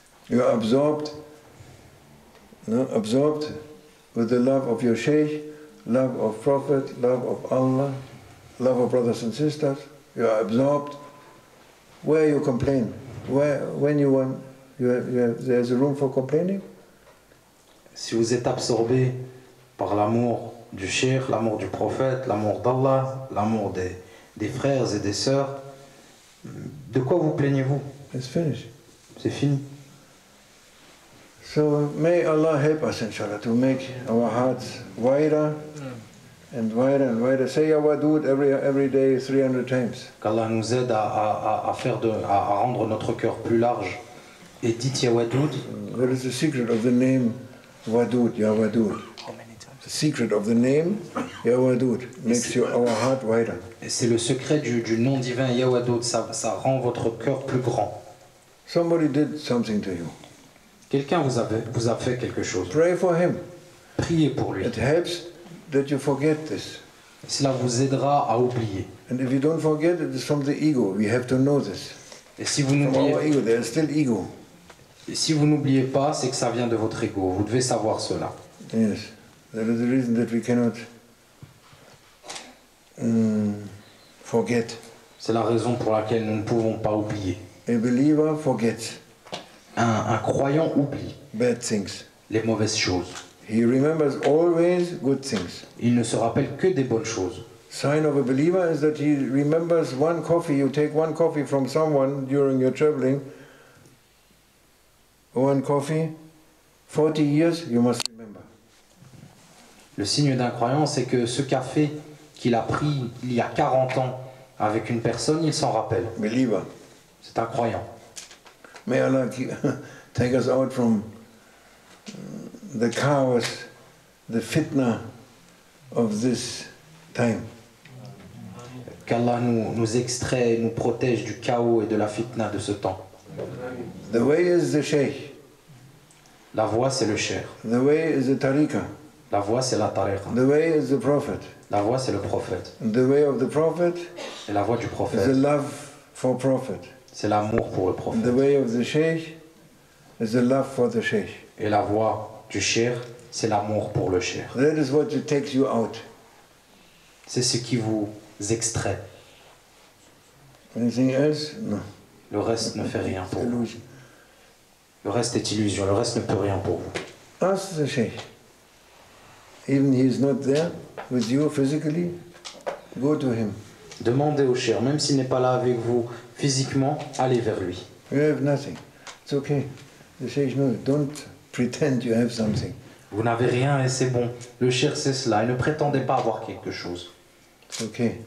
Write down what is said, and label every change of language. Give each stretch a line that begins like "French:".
English: You are absorbed, not absorbed with the love of your Shaykh, love of Prophet, love of Allah, love of brothers and sisters. You are absorbed. Where you complain? Where, when you want, there's a room for complaining?
French: Si vous êtes absorbé par l'amour du Shaykh, l'amour du Prophète, l'amour d'Allah, l'amour des frères et des sœurs, de quoi vous plaignez-vous?
English: It's finished.
French: C'est fini.
English: So may Allah help us, inshallah, to make our hearts wider and wider and wider. Say your wadud every day 300 times.
French: Qu'Allah nous aide à rendre notre cœur plus large. Et dites your wadud.
English: What is the secret of the name wadud, your wadud? How many times? The secret of the name, your wadud, makes our heart wider.
French: Et c'est le secret du nom divin, your wadud, ça rend votre cœur plus grand.
English: Somebody did something to you.
French: Quelqu'un vous a fait quelque chose.
English: Pray for him.
French: Priez pour lui.
English: It helps that you forget this.
French: Cela vous aidera à oublier.
English: And if you don't forget, it is from the ego. We have to know this.
French: Et si vous
English: from
French: n'oubliez
English: our ego, there is still ego.
French: Et si vous n'oubliez pas, c'est que ça vient de votre ego. Vous devez savoir cela.
English: Yes, there is a reason that we cannot forget.
French: C'est la raison pour laquelle nous ne pouvons pas oublier.
English: A believer forgets.
French: Un croyant oublie
English: bad things.
French: Les mauvaises choses.
English: He remembers always good things.
French: Il ne se rappelle que des bonnes choses.
English: Sign of a believer is that he remembers one coffee. You take one coffee from someone during your traveling. One coffee, 40 years, you must remember.
French: Le signe d'un croyant, c'est que ce café qu'il a pris il y a 40 ans avec une personne, il s'en rappelle.
English: Believer.
French: C'est un croyant.
English: May Allah take us out from the chaos, the fitna of this time.
French: Qu'Allah nous extrait, nous protège du chaos et de la fitna de ce temps.
English: The way is the Shaykh.
French: La voie, c'est le Shaykh.
English: The way is the Tariqa.
French: La voie, c'est la Tariqa.
English: The way is the Prophet.
French: La voie, c'est le Prophète.
English: The way of the Prophet.
French: Et la voie du Prophète.
English: The love for Prophet.
French: C'est l'amour pour le prophète.
English: The way of the Sheikh is the love for the Sheikh.
French: Et la voie du Sheikh, c'est l'amour pour le Sheikh.
English: That is what takes you out.
French: C'est ce qui vous extrait.
English: Anything else? No.
French: Le reste ne fait rien pour vous. Le reste est illusion. Le reste ne peut rien pour vous.
English: Ask the Sheikh. Even he is not there with you physically, go to him.
French: Demandez au Sheikh, même s'il n'est pas là avec vous. Physiquement, allez vers lui.
English: You have nothing. It's okay. Cheikh, no, don't pretend you have something.
French: Vous n'avez rien et c'est bon. Le cher, c'est cela. Et ne prétendez pas avoir quelque chose.
English: Ok.